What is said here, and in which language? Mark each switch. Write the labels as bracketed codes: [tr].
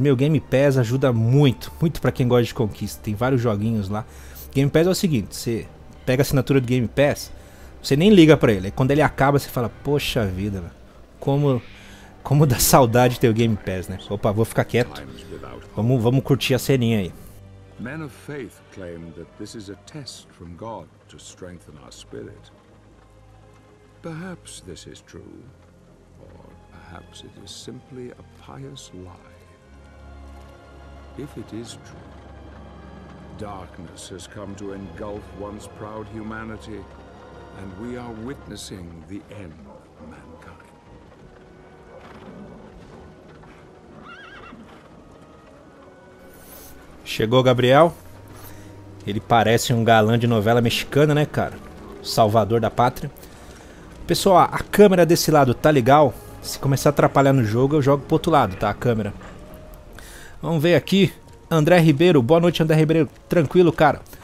[pt] Meu, Game Pass ajuda muito, muito para quem gosta de conquista. Tem vários joguinhos lá. Game Pass é o seguinte, você pega a assinatura do Game Pass, você nem liga para ele. Aí quando ele acaba, você fala, poxa vida, como dá saudade ter o Game Pass, né? Opa, vou ficar quieto. Vamos curtir a ceninha aí. [en] Men of faith claim that this is a test from God to strengthen our spirit. Perhaps this is true, or perhaps it is simply a pious lie. If it is true, darkness has come to engulf once proud humanity, and we are witnessing the end of mankind. [pt] Chegou Gabriel. Ele parece um galã de novela mexicana, né, cara? Salvador da pátria. Pessoal, a câmera desse lado tá legal? Se começar a atrapalhar no jogo, eu jogo pro outro lado, tá? A câmera. Vamos ver aqui. André Ribeiro. Boa noite, André Ribeiro. Tranquilo, cara.